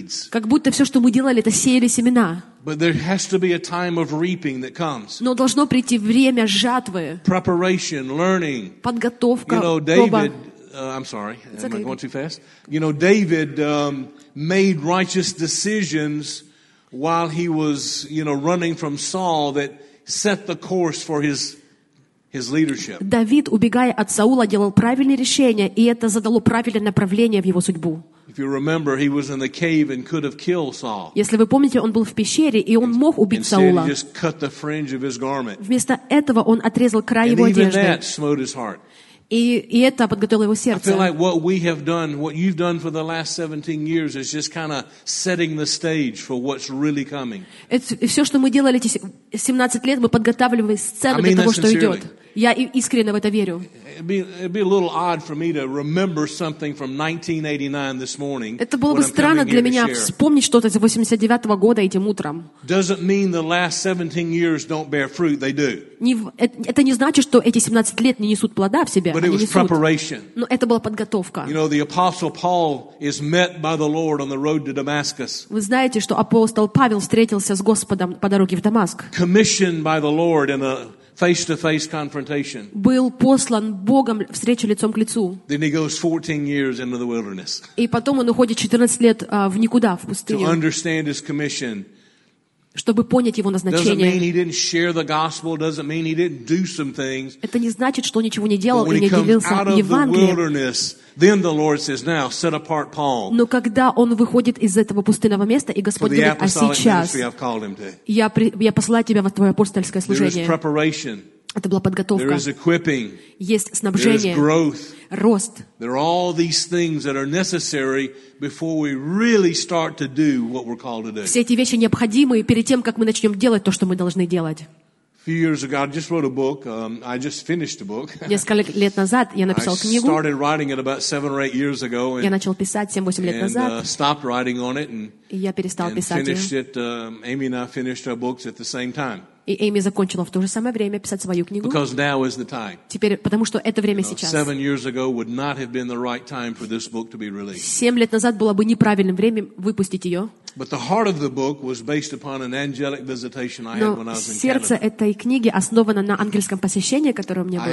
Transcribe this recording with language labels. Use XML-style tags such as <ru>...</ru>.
<ru>Как будто все, что мы делали, это сеяли семена.</ru> <en>But there has to be a time of reaping that comes.</en> <ru>Но должно прийти время жатвы.</ru> <en>Preparation, learning.</en> <ru>Подготовка.</ru> <en>You know, David. I'm sorry. Am I going too fast? You know, David made righteous decisions while he was, you know, running from Saul that set the course for his leadership.</en> <ru>Давид, убегая от Саула, делал правильные решения, и это задало правильное направление в его судьбу.</ru> <en>If you remember, he was in the cave and could have killed Saul.</en> <ru>Если вы помните, он был в пещере и он мог убить Саула.</ru> <en>Instead, he just cut the fringe of his garment.</en> <ru>Вместо этого он отрезал край его одежды.</ru> <en>And even that smote his heart.</en> <ru>И это подготовило его сердце.</ru> <en>I feel like what we have done, what you've done for the last 17 years, is just kind of setting the stage for what's really coming.</en> <ru>Это все, что мы делали эти 17 лет, мы подготавливали сцену для того, что идет. Я искренне в это верю.</ru> <en>It'd be a little odd for me to remember something from 1989 this morning.</en> <ru>Это было бы странно для меня вспомнить что-то из 89 года этим утром.</ru> <en>Doesn't mean the last 17 years don't bear fruit, they do.</en> <ru>Это не значит, что эти 17 лет не несут плода в себе.</ru> <en>But it was preparation.</en> <ru>Но это была подготовка.</ru> <en>You know, the apostle Paul is met by the Lord on the road to Damascus.</en> <ru>Вы знаете, что апостол Павел встретился с Господом по дороге в Дамаск.</ru> <en>Commissioned by the Lord in a face-to-face confrontation.</en> <ru>Был послан Богом встреча лицом к лицу.</ru> <en>Then he goes 14 years into the wilderness.</en> <ru>И потом он уходит 14 лет в никуда, в пустыню.</ru> <en>To understand his commission.</en> <ru>Чтобы понять его назначение.</ru> <en>Doesn't mean he didn't share the gospel. Doesn't mean he didn't do some things.</en> <ru>Это не значит, что ничего не делал и не делился Евангелием.</ru> <en>But when he comes out of the wilderness, then the Lord says, "Now set apart Paul."</en> <ru>Но когда он выходит из этого пустынного места, и Господь говорит: «А сейчас я посылаю тебя в твое апостольское служение».</ru> <en>There is preparation.</en> <ru>Это была подготовка.</ru> <en>There is equipping.</en> <ru>Есть снабжение.</ru> <en>There is growth.</en> <ru>Рост.</ru> <en>There are all these things that are necessary before we really start to do what we're called to do.</en> <ru>Все эти вещи необходимы перед тем, как мы начнем делать то, что мы должны делать.</ru> <en>A few years ago, I just wrote a book. I just finished a book.</en> <ru>Несколько лет назад я написал книгу.</ru> <en>I started writing it about 7 or 8 years ago.</en> <ru>Я начал писать 7-8 лет назад.</ru> <en>And stopped writing on it. И я перестал писать. And finished it. Amy and I finished our books at the same time.</en> <ru>И Эми закончила в то же самое время писать свою книгу.</ru> <en>Because now is the time.</en> <ru>Теперь, потому что это время сейчас.</ru> <en>7 years ago would not have been the right time for this book to be released.</en> <ru>7 лет назад было бы неправильным временем выпустить ее.</ru> <en>But the heart of the book was based upon an angelic visitation I had when I was in Canada.</en> <ru>Но сердце этой книги основано на ангельском посещении, которое у меня было.</ru>